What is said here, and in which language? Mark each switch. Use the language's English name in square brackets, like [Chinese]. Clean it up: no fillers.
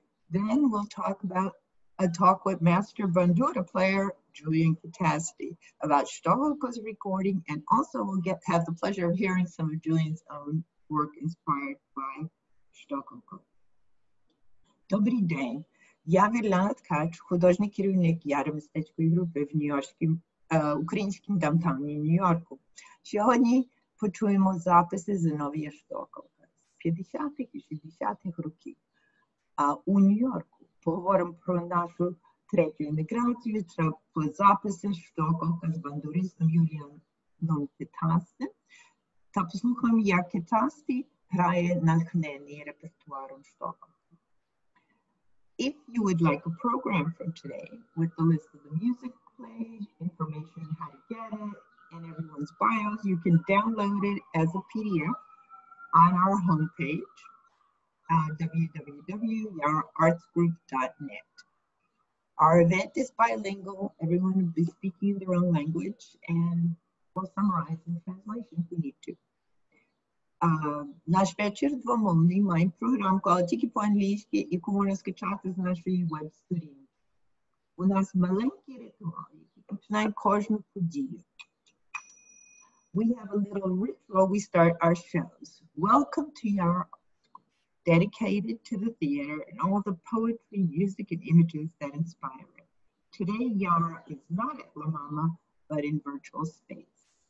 [English] Then we'll talk about a talk with master bandura player, Julian Kytasty, about Shtokalko's recording, and also we'll have the pleasure of hearing some of Julian's own work inspired by Shtokalko. [Ukrainian] Dobrý den. Я Вірлана Ткач, художній керівник Яри мистецької групи в нью-йоркському українському даунтауні Нью-Йорку. Сьогодні почуємо записи Зиновія Штоколка з 50-х і 60-х років у Нью-Йорку. Поговоримо про нашу третю імміграцію, про записи Штоколка з бандуристом Юліаном Кітасті та послухаємо, як Кітасті грає натхнений репертуаром Штоколка. [English] If you would like a program from today with the list of the music played, information on how to get it, and everyone's bios, you can download it as a PDF on our homepage, www.yaraartsgroup.net. Our event is bilingual. Everyone will be speaking their own language, and we'll summarize in translation if we need to. [Ukrainian] Наш вечір двомовний, маємо програмку, але тільки по-англійськи, яку можна скачати з нашої веб-сторінки. У нас маленький ритуал, який починає кожну подію. [English] We have a little ritual, we start our shows. Welcome to Yara, dedicated to the theater and all the poetry, music, and images that inspire it. Today, Yara is not at La Mama, but in virtual space.